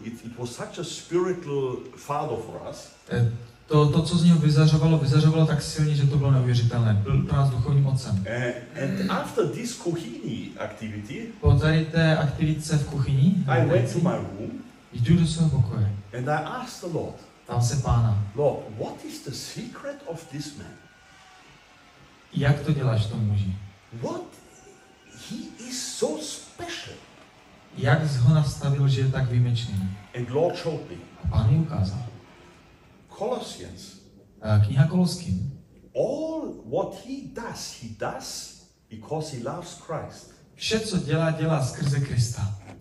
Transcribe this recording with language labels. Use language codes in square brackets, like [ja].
[en] It was such a spiritual father for us. [cs] To co z něho vyzařovalo tak silně, že to bylo neuvěřitelné. Byl pro nás duchovním otcem. [en] And after this kuchyní activity, [cs] po tady té aktivitce v kuchyni, [en] I went to my room. [cs] Jdu do svého pokoje. [en] And I asked the Lord. [cs] Tam se pána. [en] Lord, what is the secret of this man? [cs] Jak to děláš, tomu muži? [en] What? He is so special. [cs] Jak jsi ho nastavil, že je tak výjimečný? [en] And Lord showed me. [cs] A pán mi ukázal. [en] Colossians. [cs] Kniha Koloským. [en] All what he does because he loves Christ. [cs] Vše, co dělá skrze Krista.